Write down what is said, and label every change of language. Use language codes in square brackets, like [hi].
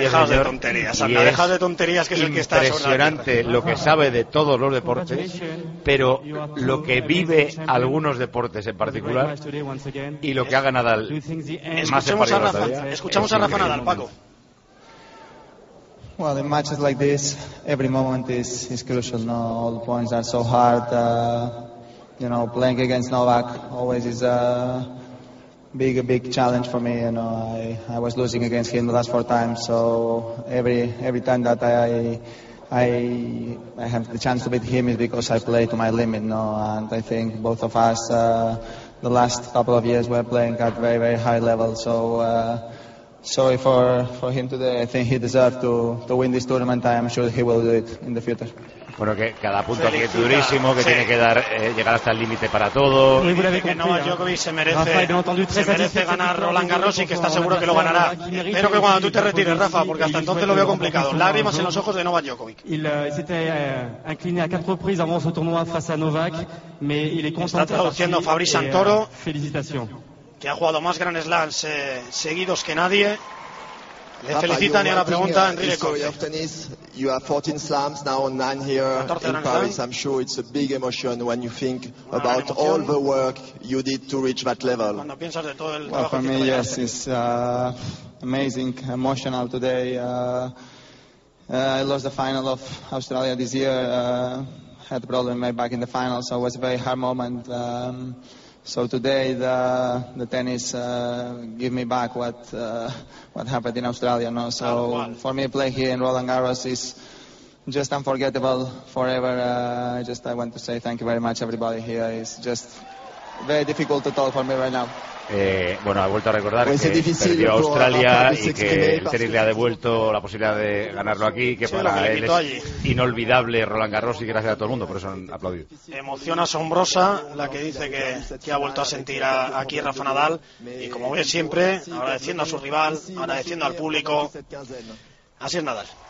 [es] Deja de tonterías, Ana, deja de tonterías, que es el que está. Impresionante lo que sabe de todos los deportes, pero lo que vive algunos deportes en particular y lo que haga Nadal. Escuchemos a Rafa, todavía, escuchamos a Rafa Nadal, Paco. [en] Well, in matches like this, every moment is crucial. No, all the points are so hard. You know, playing against Novak always is a big challenge for me. You know, I was losing against him the last four times. So every time that I have the chance to beat him is because I play to my limit. No, and I think both of us the last couple of years were playing at very very high level. So. Sorry for him today. I think he deserved to win this tournament. I am sure he will do it in the future. [es] Bueno, que cada punto aquí es durísimo, que sí. Tiene que dar llegar hasta el límite para todo. Dice que no, Djokovic se merece ganar Roland Garros y que está seguro que lo ganará. Espero que cuando tú te retires, Rafa, porque hasta entonces lo veo complicado. Lágrimas en los ojos de Novak Djokovic. [fr] Il s'était incliné à quatre reprises avant ce tournoi face à Novak, mais il est content. [es] Está traduciendo Fabrice Santoro. Felicitaciones. Que ha jugado más Grand Slams seguidos que nadie. Le felicitan y a la pregunta, Enrique Coque. [en] You have 14 slams now, 9 here in Paris. I'm sure it's a big emotion when you think about all the work you did to reach that level. [es] Cuando piensas de todo el trabajo que hiciste. [en] Well, for me, yes, it's amazing, emotional today. I lost the final of Australia this year. Had a problem in my back in the final, so it was a very hard moment. So today the tennis give me back what happened in Australia. No, so for me, play here in Roland Garros is just unforgettable forever. I want to say thank you very much, everybody here. It's just very difficult to talk for me right now. [es] Bueno, ha vuelto a recordar que perdió a Australia y que el tenis le ha devuelto la posibilidad de ganarlo aquí, que para él es inolvidable Roland Garros, y gracias a todo el mundo, por eso han aplaudido. Emoción asombrosa la que dice que ha vuelto a sentir aquí Rafa Nadal, y como ve siempre, agradeciendo a su rival, agradeciendo al público. Así es Nadal.